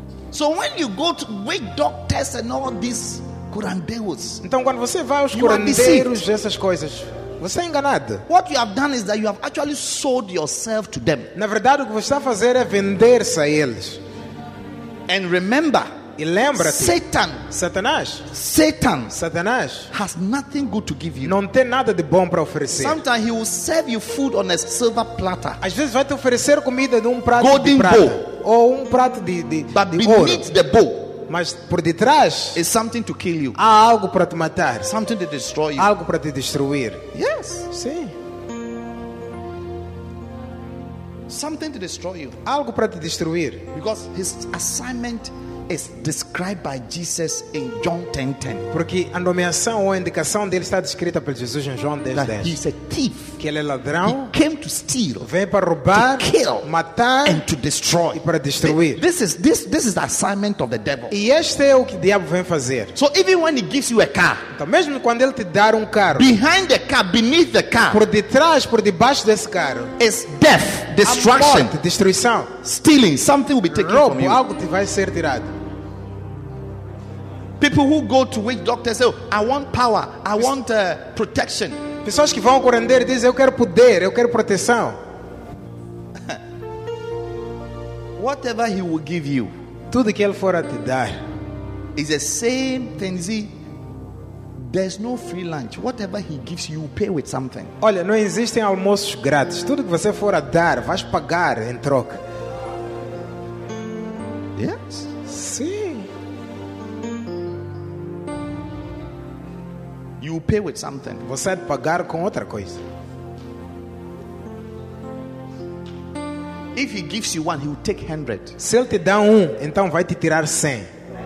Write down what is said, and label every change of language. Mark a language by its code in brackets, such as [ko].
[en] So when you go to witch doctors and all these curandeiros, [pt] então quando você vai aos curandeiros, essas coisas, você é enganado. [en] What you have done is that you have actually sold yourself to them. [pt] Na verdade, o que você está a fazer é vender-se a eles. [en] And remember, [pt] e lembra-te, [en] Satan has nothing good to give you. [pt] Não tem nada de bom para oferecer. [en] Sometimes he will serve you food on a silver platter. [pt] Às vezes vai te oferecer comida num prato [en] golden [pt] de prata, [en] bowl. [pt] Ou um prato de ouro. [en] But beneath the bowl, [pt] mas por detrás, [en] is something to kill you. [pt] Há algo para te matar. [en] Something to destroy you. [pt] Algo para te destruir. [en] Yes. [pt] Sim. [en] Something to destroy you. [pt] Algo para te destruir. [en] Because his assignment is described by Jesus in John 10:10. [pt] Porque a nomeação ou a indicação dele está descrita por Jesus em João 10:10. [en] That he is a thief. [pt] Que ele é ladrão. [en] He came to steal. [pt] Vem para roubar, [en] to kill, [pt] matar, [en] and to destroy. [pt] E para destruir. [en] This is the assignment of the devil. [pt] E este é o que o diabo vem fazer. [en] So even when he gives you a car, [pt] então mesmo quando ele te dar carro, [en] behind the car, beneath the car, [pt] por detrás, por debaixo desse carro, [en] is death, destruction, [pt] morte, destruição, [en] stealing, something will be taken [pt] roubo, [en] from you. [pt] Algo te vai ser tirado. [en] People who go to witch doctors say, oh, I want power, I want protection. [pt] Pessoas que vão ao curandeiro dizem, eu quero poder, eu quero proteção. [en] Whatever he will give you, [pt] tudo que ele for a te dar, [en] is the same thing. There's no free lunch. Whatever he gives you, pay with something. [pt] Olha, não existem almoços grátis. Tudo que você for a dar, vais pagar em troca. [en] Yes. You pay with something. [pt] Você vai pagar com outra coisa. [en] If he gives you one, he will take 100. [pt] Se ele te dá então vai te tirar 100.